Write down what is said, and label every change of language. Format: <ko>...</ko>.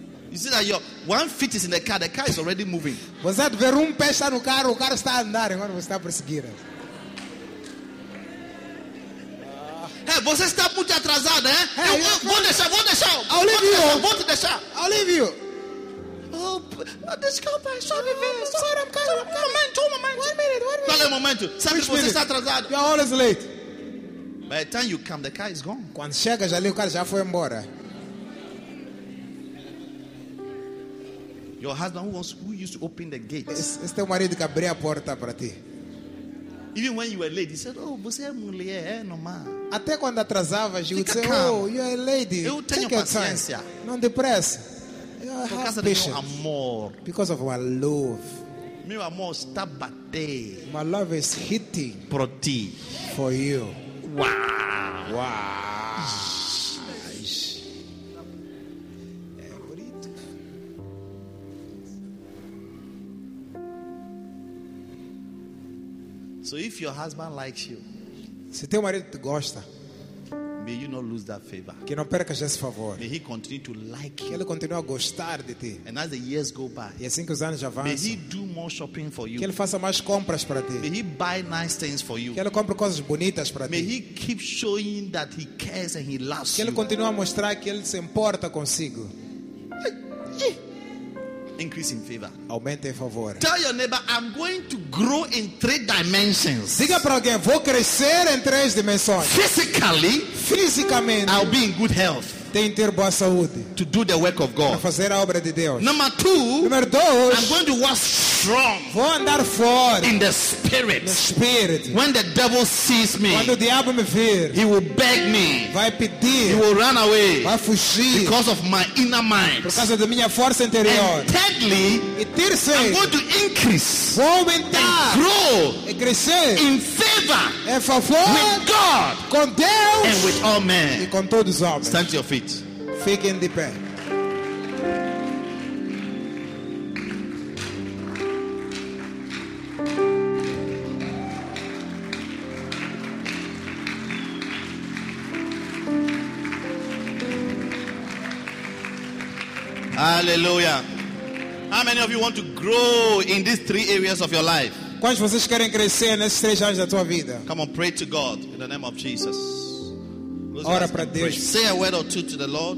<en>You see that your one foot is in the car. The car is already moving.</en> <pt>Você ver um pé está no carro. O carro está andando. Agora você está perseguindo. Hey, você está muito atrasado, hein? Hey, eu vou deixar, vou deixar.</pt> <en>I'll leave you.</en> <pt>Vou te deixar.</pt> <en>I'll leave you.</en> <pt>Oh, desculpa,</pt> <en>sorry, sorry, I'm coming.</en> <pt>Um momento, um momento.</pt> <en>One minute, one minute.</en> <pt>Qual é o momento? Sabe que você está atrasado.</pt> <en>You're always late. By the time you come, the car is gone.</en> <pt>Quando chega, já ali o cara já foi embora.</pt> <en>Your husband who used to open the gate.</en> <pt>Esse teu marido que abriu a porta para ti.</pt> <en>Even when you were late, he said,</en> <pt>"Oh, você é mulher, é normal." Até quando atrasava, eu disse,</pt> <en>"Oh, you are a lady.</en> <pt>Eu tenho</pt> <en>take</en> <pt>paciência. Não depressa. Por causa do meu amor.</pt> <en>Because of my love.</en> <pt>Meu amor está batendo.</pt> <en>My love is hitting.</en> <pt>Por ti.</pt> <en>For you. Wow. Wow.</en> <pt>É bonito.</pt> <en>So if your husband likes you.</en> <pt>Se teu marido te gosta,</pt> <en>may you not lose that favor.</en> <pt>Que não percas esse favor.</pt> <en>May he continue to like you.</en> <pt>Que ele continue a gostar de ti.</pt> <en>And as the years go by,</en> <pt>e assim que os anos avançam,</pt> <en>may he do more shopping for you.</en> <pt>Que ele faça mais compras para ti.</pt> <en>May he buy nice things for you.</en> <pt>Que ele compre coisas bonitas para ti.</pt> <en>May he keep showing that he cares and he loves you.</en> <pt>Que ele continue a mostrar que ele se importa consigo.</pt> <en>Increase in favor.</en> <pt>Aumente em favor.</pt> <en>Tell your neighbor, "I'm going to grow in three dimensions."</en> <pt>Diga para alguém, vou crescer em três dimensões.</pt> <en>Physically,</en> <pt>fisicamente,</pt> <en>I'll be in good health.</en> <pt>Tenho ter boa saúde.</pt> <en>To do the work of God.</en> <pt>Para fazer a obra de Deus.</pt> <en>Number two,</en> <pt>número dois,</pt> <en>I'm going to walk strong.</en> <pt>Vou andar forte.</pt> <en>In the spirit.</en> <pt>No espírito.</pt> <en>When the devil sees me,</en> <pt>quando o diabo me vir,</pt> <en>he will beg me.</en> <pt>Vai pedir.</pt> <en>He will run away.</en> <pt>Vai fugir.</pt> <en>Because of my inner mind.</en> <pt>Por causa da minha força interior.</pt> <en>And thirdly,</en> <pt>e terceiro,</pt> <en>I'm going to increase.</en> <pt>Vou aumentar.</pt> <en>And grow.</en> <pt>E crescer.</pt> <en>In favor.</en> <pt>Em favor.</pt> <en>With God.</en> <pt>Com Deus.</pt> <en>And with all men.</en> <pt>E com todos os homens.</pt> <en>Stand to your feet.</en> <pt>Fique em de pé.</pt> <en>Hallelujah. How many of you want to grow in these three areas of your life?</en> <pt>Quais vocês querem crescer nesses três áreas da tua vida?</pt> <en>Come on, pray to God in the name of Jesus.</en> <pt>Ora para Deus.</pt> <en>Say a word or two to the Lord.</en>